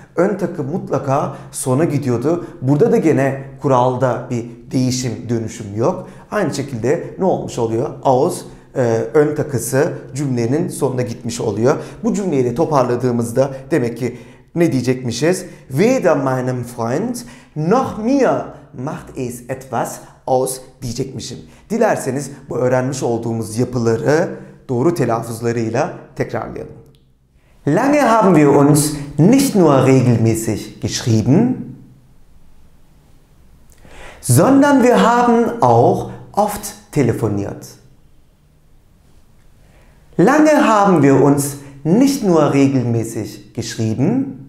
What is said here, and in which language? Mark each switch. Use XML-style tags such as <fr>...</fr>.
<tr>Ön takım mutlaka sona gidiyordu. Burada da gene kuralda bir değişim, dönüşüm yok. Aynı şekilde ne olmuş oluyor? Aus ön takısı cümlenin sonuna gitmiş oluyor. Bu cümleyi de toparladığımızda demek ki ne diyecekmişiz?</tr> <de>Weder meinem Freund noch mir macht es etwas aus</de> <tr>diyecekmişim. Dilerseniz bu öğrenmiş olduğumuz yapıları doğru telaffuzlarıyla tekrarlayalım.</tr> <de>Lange haben wir uns nicht nur regelmäßig geschrieben, sondern wir haben auch oft telefoniert. Lange haben wir uns nicht nur regelmäßig geschrieben,</de>